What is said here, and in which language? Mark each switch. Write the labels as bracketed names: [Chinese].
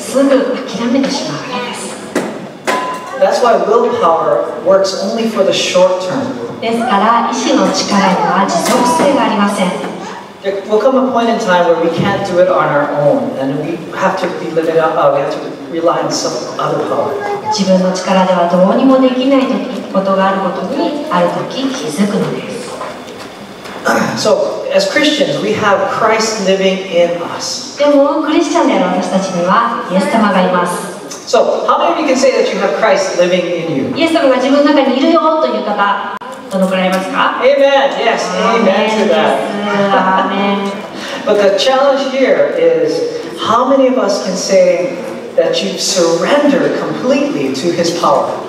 [Japanese] なので私たちの力や能力にはもちろん限界がありますので、大変な時、例えばすごく疲れてて、6時に目覚ましかかっても、すぐ諦めてしまうわけです。 [English] That's why willpower works only for the short term. [Japanese] ですから、意志の力には持続性がありません。 [English] There will come a point in time where we can't do it on our own, and we have to be limited. We have to rely on some other power. [Japanese] 自分の力ではどうにもできないことがあることにある時気づくのです。 [English] So, as Christians, we have Christ living in us. [Japanese] でもクリスチャンである私たちにはイエス様がいます。 [English] So, how many of you can say that you have Christ living in you? [Japanese] イエス様が自分の中にいるよという方。 [English] Amen. Yes. Amen to that. Amen. But the challenge here is, how many of us can say that you surrender completely to His power?